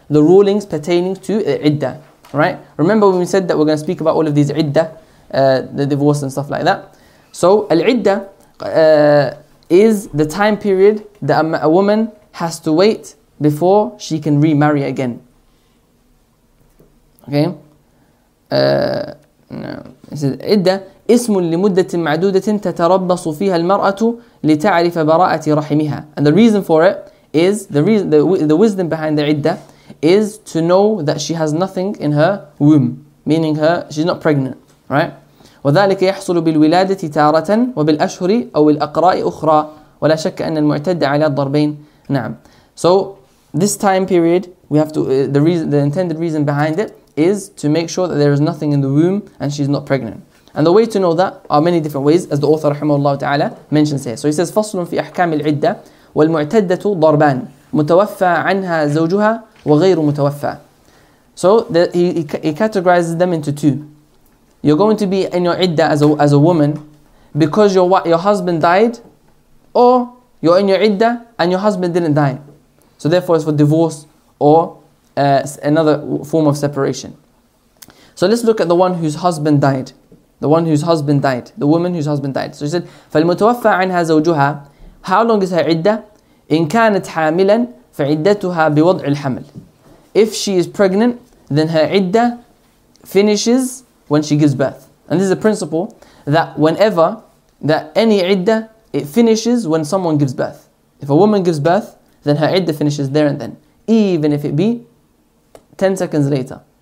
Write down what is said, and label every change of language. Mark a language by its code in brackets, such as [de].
[en] The rulings pertaining to iddah, right? Remember when we said that we're going to speak about all of these iddah, the divorce and stuff like that. So al-iddah is the time period that a woman has to wait before she can remarry again. Okay? It says iddah [ar] اسم لمدة معدودة تتربص فيها المرأة لتعرف براءة رحمها. [en] And the reason for it is the wisdom behind the iddah is to know that she has nothing in her womb, meaning she's not pregnant, right? [ar] وذلك يحصل بالولادة تارة وبالأشهر أو الأقراء أخرى ولا شك أن المعتد على الضربين. نعم. [en] So this time period, we have to the intended reason behind it is to make sure that there is nothing in the womb and she's not pregnant. And the way to know that are many different ways, as the author رحمه الله mentions here. So he says [ar] فصل في أحكام العدة والمعتدة ضربان متوفى عنها زوجها وغير متوفى. [en] So he categorizes them into two. You're going to be in your عدة as a woman because your husband died, or you're in your عدة and your husband didn't die. So therefore it's for divorce or another form of separation. So let's look at the one whose husband died. The woman whose husband died. So she said, [ar] فالمتوفى عنها زوجها. [en] How long is her عدة? [ar] إن كانت حاملا فعدتها بوضع الحمل. [en] If she is pregnant, then her عدة finishes when she gives birth. And this is a principle that any عدة, it finishes when someone gives birth. If a woman gives birth, then her عدة finishes there and then. Even if it be 10 seconds later.